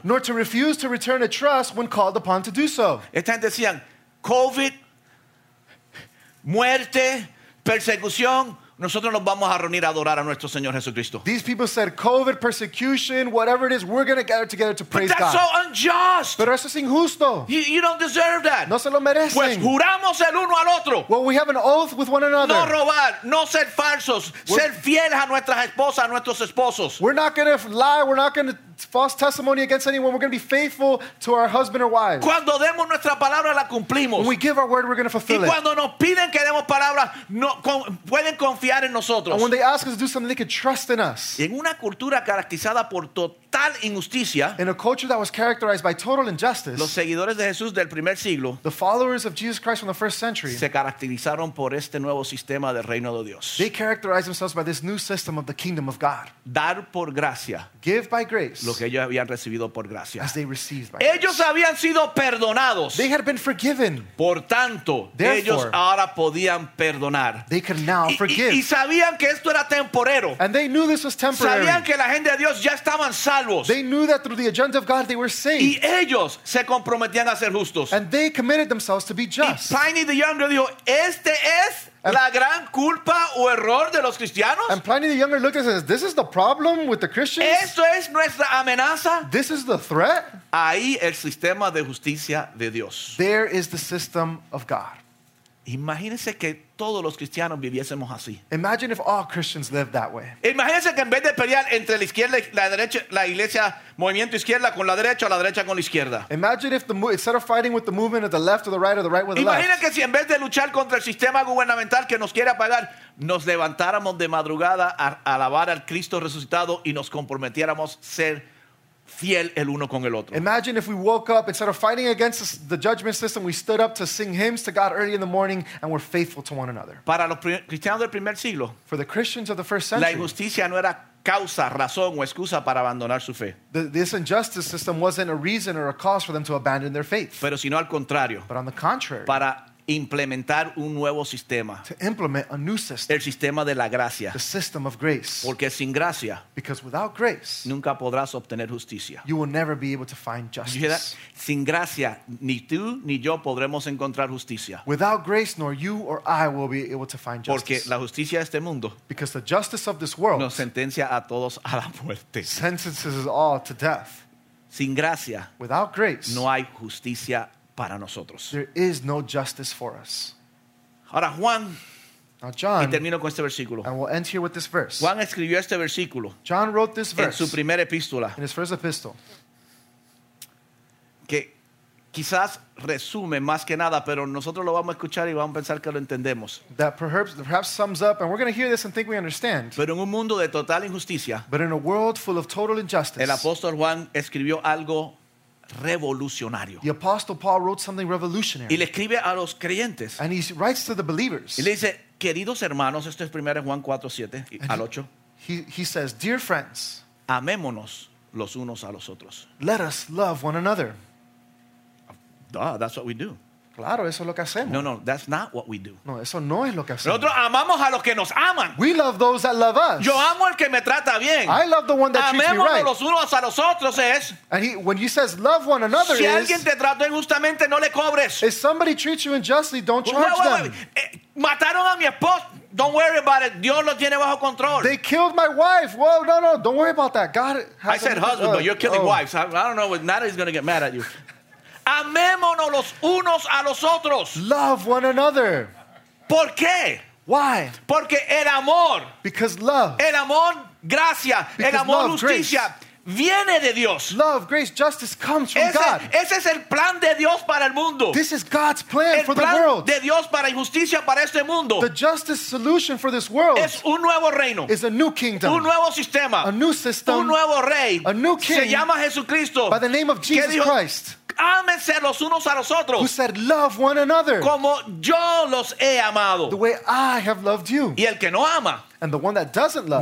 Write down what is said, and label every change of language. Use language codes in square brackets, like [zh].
[en] Nor to refuse to return a trust when called upon to do so. [es] Están decían COVID, muerte, persecución, nosotros nos vamos a reunir a adorar a nuestro Señor Jesucristo. [en] These people said COVID, persecution, whatever it is, we're going to gather together to praise God. But that's God. So unjust. [es] Pero eso es injusto. [en] You don't deserve that. [es] No se lo merecen. Pues juramos el uno al otro. [en] Well, we have an oath with one another. [es] No robar, no ser falsos, ser fieles a nuestras esposas, a nuestros esposos. [en] We're not going to lie, we're not going to false testimony against anyone. We're going to be faithful to our husband or wife. [es] Cuando demos nuestra palabra, la cumplimos. [en] When we give our word, we're going to fulfill [es] it. Y cuando nos piden que demos palabra, pueden confiar en nosotros. [en] And when they ask us to do something, they can trust in us. [es] En una cultura caracterizada por total injusticia, [en] in a culture that was characterized by total injustice, [es] los seguidores de Jesús del primer siglo, [en] the followers of Jesus Christ from the first century, [es] se caracterizaron por este nuevo sistema del reino de Dios. [en] They characterized themselves by this new system of the kingdom of God. [es] Dar por gracia. [en] Give by grace. [es] Lo que ellos habían recibido por gracia. [en] As they received by grace. [es] Ellos habían sido perdonados. [en] They had been forgiven. [es] Por tanto, [en] therefore, [es] ellos ahora podían perdonar. [en] They could now forgive. [es] Y sabían que esto era temporero. [en] And they knew this was temporary. [es] Sabían que la gente de Dios ya estaban salvos. [en] They knew that through the agenda of God they were saved. [es] Y ellos se comprometían a ser justos. [en] And they committed themselves to be just. [es] Y Pliny the Younger dijo, este es la gran culpa o error de los cristianos. [en] And Pliny the Younger looked at it and says, this is the problem with the Christians. [es] Esto es nuestra amenaza. [en] This is the threat. [es] Ahí el sistema de justicia de Dios. [en] There is the system of God. [es] Imagínense que todos los cristianos viviésemos así. [en] Imagine if all Christians lived that way. [es] Imagínense que en vez de pelear entre la izquierda y la derecha, la iglesia, movimiento izquierda con la derecha, o la derecha con la izquierda. [en] Imagine if instead of fighting with the movement at the left or the right, or the right with the [es] imagínense [en] left. [es] Imagínense que si en vez de luchar contra el sistema gubernamental que nos quiere apagar, nos levantáramos de madrugada a alabar al Cristo resucitado y nos comprometiéramos a ser fiel el uno con el otro. [en] Imagine if we woke up, instead of fighting against the judgment system, we stood up to sing hymns to God early in the morning and were faithful to one another. [es] Para los cristianos del primer siglo, [en] for the Christians of the first century, [es] la injusticia no era causa, razón o excusa para abandonar su fe. [en] This injustice system wasn't a reason or a cause for them to abandon their faith. [es] Pero sino al contrario. [en] But on the contrary, [es] para implementar un nuevo sistema. [en] To implement a new system. [es] El sistema de la gracia. [en] The system of grace. [es] Porque sin gracia, [en] because without grace, [es] nunca podrás obtener justicia. [en] You will never be able to find justice. [es] Sin gracia, ni tú ni yo podremos encontrar justicia. [en] Without grace, nor you or I will be able to find justice. [es] Porque la justicia de este mundo, [en] because the justice of this world, [es] nos sentencia a todos a la muerte. [en] Sentences us all to death. [es] Sin gracia, [en] without grace, [es] no hay justicia para nosotros. [en] There is no justice for us. [es] Ahora Juan, [en] now John, [es] y termino con este versículo. [en] And we'll end here with this verse. [es] Juan escribió este versículo. [en] John wrote this verse [es] en su primera epístola. [en] In his first epistle. [es] Que quizás resume más que nada, pero nosotros lo vamos a escuchar y vamos a pensar que lo entendemos. [en] That perhaps sums up, and we're going to hear this and think we understand. [es] Pero en un mundo de total injusticia, [en] but in a world full of total injustice, [es] el apóstol Juan escribió algo revolucionario. [en] The Apostle Paul wrote something revolutionary. [es] Y le escribe a los creyentes. [en] And he writes to the believers. [es] Y le dice, queridos hermanos, esto es 1 Juan 4, 7 al 8. [en] He says, dear friends, [es] amémonos los unos a los otros. [en] Let us love one another. Duh, that's what we do. [es] Claro, eso es lo que hacemos. [en] No, no, that's not what we do. [es] No, eso no es lo que hacemos. Nosotros amamos a los que nos aman. [en] We love those that love us. [es] Yo amo el que me trata bien. [en] I love the one that [es] amémonos [en] treats me right. [es] Los unos a los otros es, [en] and when he says love one another, [es] si [en] is, [es] alguien te trata injustamente, no le cobres. [en] If somebody treats you unjustly, don't charge them. [es] Mataron a mi esposo. [en] Don't worry about it. [es] Dios lo tiene bajo control. [en] They killed my wife. Whoa, no, no, don't worry about that. God has I said husband, but you're killing wives. I don't know, but Natalie's going to get mad at you. [es] Amémonos los unos a los otros. [en] Love one another. [es] ¿Por qué? [en] Why? [es] Porque el amor. [en] Because love. [es] El amor, gracia. [en] Because [es] el amor, [en] love, [es] justicia. [en] Grace. [es] Viene de Dios. [en] Love, grace, justice comes from [es] ese, [en] God. [es] Ese es el plan de Dios para el mundo. [en] This is God's plan [es] el [en] for [es] plan [en] the world. [es] De Dios para injusticia para este mundo. [en] The justice solution for this world [es] es un nuevo reino. [en] Is a new kingdom. [es] Un nuevo sistema. [en] A new system. [es] Un nuevo rey. [en] A new king. [es] Se llama Jesucristo. [en] By the name of Jesus [es] dijo, [en] Christ. [es] Ámense los unos a los otros. [en] Who said love one another. [es] Como yo los he amado. [en] The way I have loved you. [es] Y el que no ama. [en] And the one that doesn't love